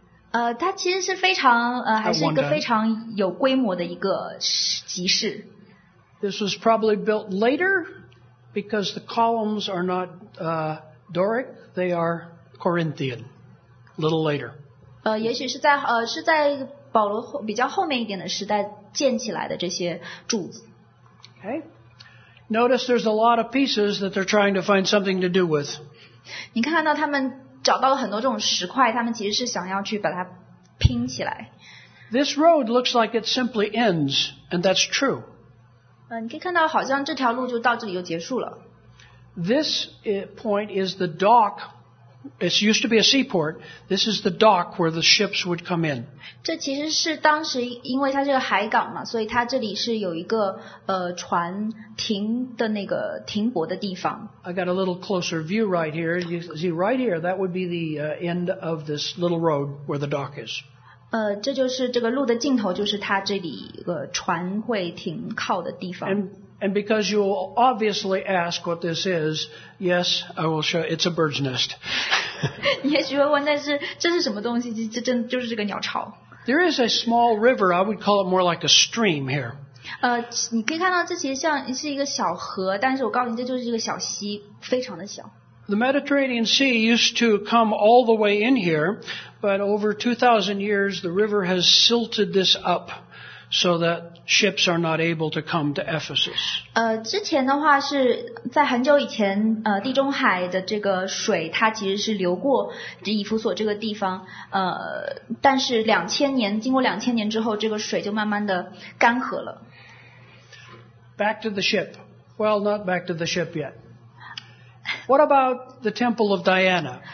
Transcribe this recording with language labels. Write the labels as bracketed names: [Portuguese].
[Chinese] 它其实是非常还是一个非常有规模的一个集市。 [English] This was probably built later because the columns are not Doric, they are Corinthian, a little later. [Chinese] 也许是在是在保罗比较后面一点的时代建起来的这些柱子。 [English] Okay. Notice there's a lot of pieces that they're trying to find something to do with. [Chinese] 你看到他们找到了很多这种石块，他们其实是想要去把它拼起来。 [English] This road looks like it simply ends, and that's true. [Chinese] 你可以看到好像这条路就到这里就结束了。 [English] This point is the dock. It used to be a seaport. This is the dock where the ships would come in. [Chinese] 这其实是当时因为它是个海港嘛，所以它这里是有一个船停的那个停泊的地方。 [English] I got a little closer view right here. You see right here, that would be the end of this little road where the dock is. [Chinese] 这就是这个路的尽头，就是它这里船会停靠的地方。 [English] And because you obviously ask what this is, yes, I will show. It's a bird's nest. [Chinese] 你也许会问，但是这是什么东西？这真就是这个鸟巢。 [English] There is a small river. I would call it more like a stream here. [Chinese] 你可以看到这其实像是一个小河，但是我告诉你，这就是一个小溪，非常的小。 [English] The Mediterranean Sea used to come all the way in here, but over 2,000 years, the river has silted this up so that ships are not able to come to Ephesus. [Chinese] 之前的话是在很久以前，地中海的这个水它其实是流过以弗所这个地方，但是经过2000年之后，这个水就慢慢的干涸了。 [English] Back to the ship. Well, not back to the ship yet. What about the Temple of Diana?